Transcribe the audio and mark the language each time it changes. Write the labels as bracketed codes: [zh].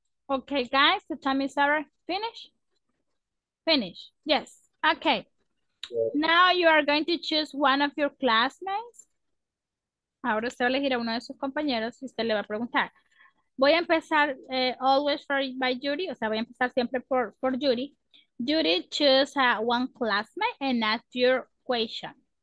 [en] Okay, guys, the time is over. Finish? Finish. Yes. Okay. Yes. Now you are going to choose one of your classmates. [es] Ahora usted va a elegir a uno de sus compañeros y usted le va a preguntar. Voy a empezar always by Judy. O sea, voy a empezar siempre por Judy. [en] Judy, choose one classmate and ask your question.